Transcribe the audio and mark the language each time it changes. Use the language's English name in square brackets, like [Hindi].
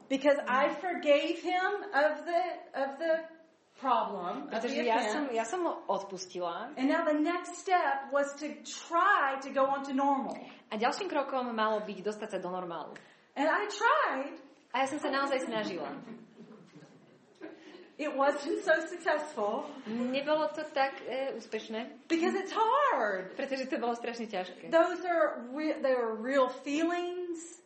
[English] Because I forgave him of the problem. [Slovak] Pretože ja som mu odpustila. [English] And now the next step was to try to go on to normal. [Slovak] A ďalším krokom malo byť dostať sa do normálu. [English] And I tried. [Slovak] A ja som sa naozaj snažila. [English] It wasn't so successful. [Slovak] Nebolo to tak úspešné. [English] Because it's hard. [Slovak] Pretože to bolo strašne ťažké. [English] Those are they are real feelings.